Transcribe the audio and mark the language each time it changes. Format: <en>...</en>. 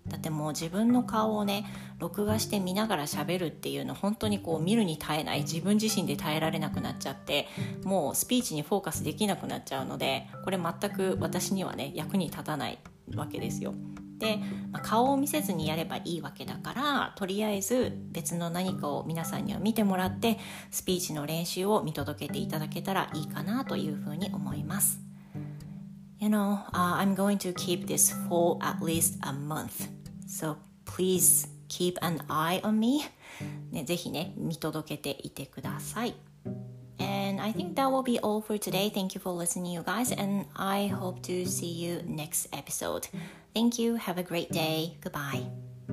<ja>だってもう自分の顔をね録画して見ながら喋るっていうの、本当にこう見るに耐えない、自分自身で耐えられなくなっちゃって、もうスピーチにフォーカスできなくなっちゃうので、これ全く私にはね役に立たないわけですよ。で、まあ、顔を見せずにやればいいわけだから、とりあえず別の何かを皆さんには見てもらって、スピーチの練習を見届けていただけたらいいかなというふうに思います。</ja> <en>You know, I'm going to keep this for at least a month. So please keep an eye on me.</en> <ja>ね、ぜひね、見届けていてください。</ja> <en>And I think that will be all for today. Thank you for listening, you guys. And I hope to see you next episode. Thank you. Have a great day. Goodbye.</en>